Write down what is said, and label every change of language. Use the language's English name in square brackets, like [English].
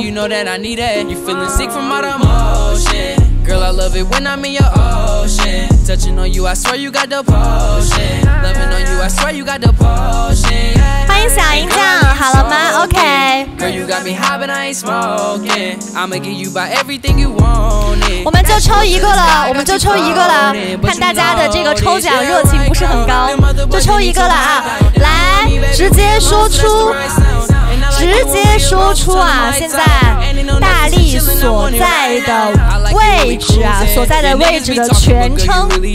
[English] You know that I need that. You feeling sick from all the motion. Girl, I love it when I'm in your ocean. Touching on you, I swear you got the potion. Loving on you, I swear you got the potion. [Chinese] 欢迎小银匠，好了吗 ？ [English] OK. Girl, you got me high, but I ain't smoking. I'ma give you by everything you want. [Chinese] 我们就抽一个了，我们就抽一个了。看大家的这个抽奖热情不是很高，就抽一个了啊！来，直接说出。直接说出啊，现在大力所在的位置啊，所在的位置的全称。